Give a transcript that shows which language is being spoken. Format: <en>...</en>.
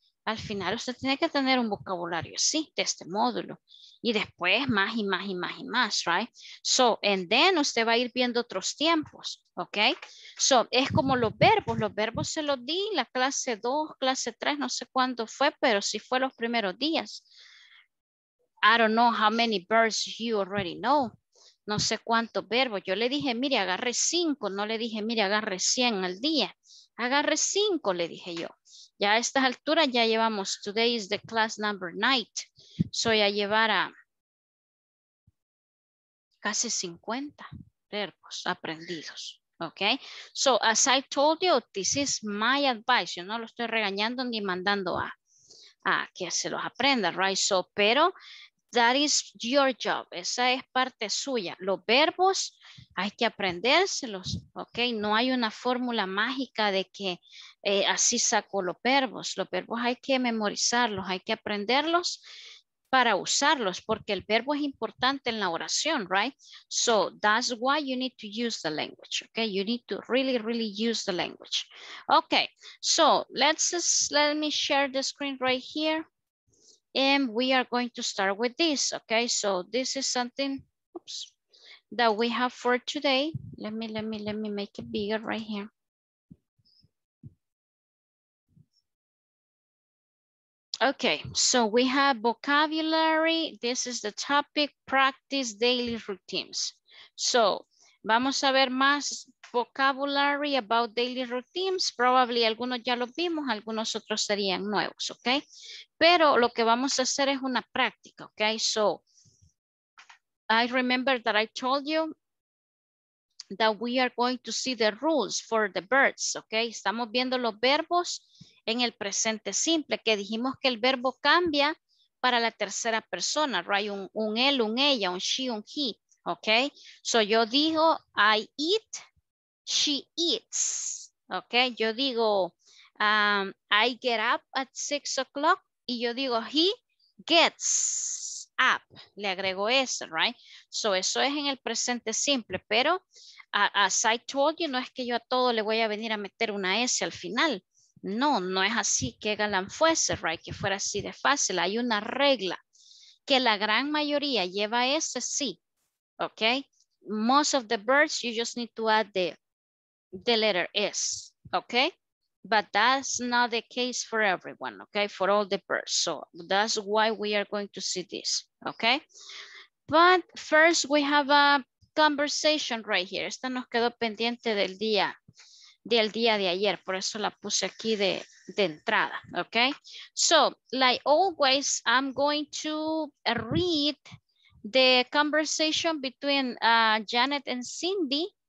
<es>Al final usted tiene que tener un vocabulario así, de este módulo. Y después más y más y más y más,</es> <en>¿right? So, and then</en> <es>usted va a ir viendo otros tiempos, ¿ok? So, es como los verbos. Los verbos se los di en la clase 2, clase 3, no sé cuándo fue, pero sí fue los primeros días.</es> <en>I don't know how many verbs you already know.</en> <es>No sé cuántos verbos. Yo le dije, mire, agarre 5. No le dije, mire, agarre 100 al día. Agarre 5, le dije yo. Ya a estas alturas ya llevamos,</es> <en>today is the class number 9.</en> <es>Soy a llevar a casi 50 verbos aprendidos.</es> <en>Ok, so as I told you, this is my advice.</en> <es>Yo no lo estoy regañando ni mandando a que se los aprenda,</es> <en>right? So, pero that is your job.</en> <es>Esa es parte suya. Los verbos hay que aprendérselos, ¿ok? No hay una fórmula mágica de que así saco los verbos. Los verbos hay que memorizarlos, hay que aprenderlos para usarlos, porque el verbo es importante en la oración,</es> <en>¿right? So that's why you need to use the language, ¿ok? You need to really, really use the language. Ok, so let me share the screen right here. And we are going to start with this, okay? So this is something, oops, that we have for today. Let me make it bigger right here. Okay, so we have vocabulary. This is the topic, practice daily routines. So</en> <es>vamos a ver más</es> <en>vocabulary about daily routines.</en> <es>Probably algunos ya los vimos, algunos otros serían nuevos, okay? Pero lo que vamos a hacer es una práctica, ok?</es> <en>So, I remember that I told you that we are going to see the rules for the verbs, ok?</en> <es>Estamos viendo los verbos en el presente simple, que dijimos que el verbo cambia para la tercera persona,</es> <en>right?</en> <es>Un él, un ella,</es> <en>un she, un he, ok? So,</en> <es>yo digo,</es> <en>I eat, she eats, ok?</en> <es>Yo digo,</es> <en>I get up at 6 o'clock.</en> <es>Y yo digo,</es> <en>he gets up.</en> <es>Le agrego eso,</es> <en>right?</en> <es>So, eso es en el presente simple. Pero,</es> <en>as I told you,</en> <es>no es que yo a todo le voy a venir a meter una S al final. No, no es así que galán fuese,</es> <en>right?</en> <es>Que fuera así de fácil. Hay una regla. Que la gran mayoría lleva S, sí. ¿Ok?</es> <en>Most of the verbs, you just need to add the letter S. ¿Ok? But that's not the case for everyone, okay? For all the birds. So that's why we are going to see this, okay? But first we have a conversation right here.</en> <es>Esta nos quedó pendiente del día de ayer. Por eso la puse aquí de entrada, okay?</es> <en>So like always, I'm going to read the conversation between Janet and Cindy.</en>